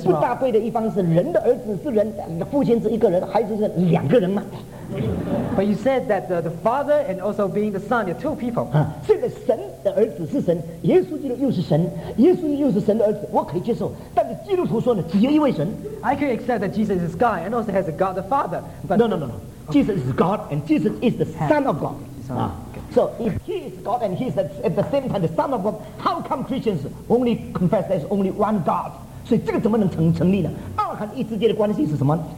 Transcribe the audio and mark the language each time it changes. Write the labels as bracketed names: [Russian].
[Chinese] 不大对的一方是人的儿子是人，父亲是一个人，孩子是两个人嘛。 [English] But you said that the father and also being the son are two people. [Chinese] 这个神的儿子是神，耶稣基督又是神，耶稣又是神的儿子，我可以接受。但是基督徒说呢，只有一位神。 [English] I can accept that Jesus is God and also has a God the Father. But No. Jesus is God and Jesus is the Son of God. So if he is God and he is at the same time the Son of God, how come Christians only confess there is only one God? [Chinese] 所以这个怎么能成立呢？二和一之间的关系是什么？